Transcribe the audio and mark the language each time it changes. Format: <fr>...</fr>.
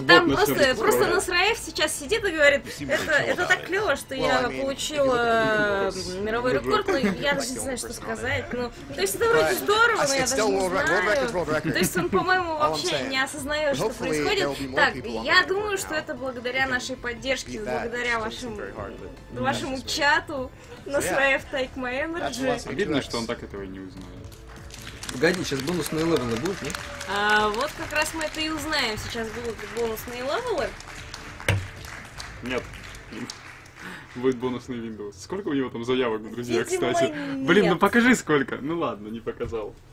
<ru>бот там просто Насраев сейчас сидит и говорит, это так клево, что я получил мировой рекорд, но я даже не знаю, что сказать. Ну, то есть это вроде здорово, но я даже не знаю. То есть он, по-моему, вообще не осознает, что происходит. Так, я думаю, что это благодаря нашей поддержке, благодаря вашему чату.</ru> <en>Насраев, take my energy.</en> <ru>Обидно, что он так этого и не узнает. Погоди, сейчас бонусные левелы будут, нет? А, вот как раз мы это и узнаем. Сейчас будут бонусные левелы? Нет. Будет бонусный Windows. Сколько у него там заявок, друзья, видимо, кстати? Нет. Блин, ну покажи сколько. Ну ладно, не показал.</ru>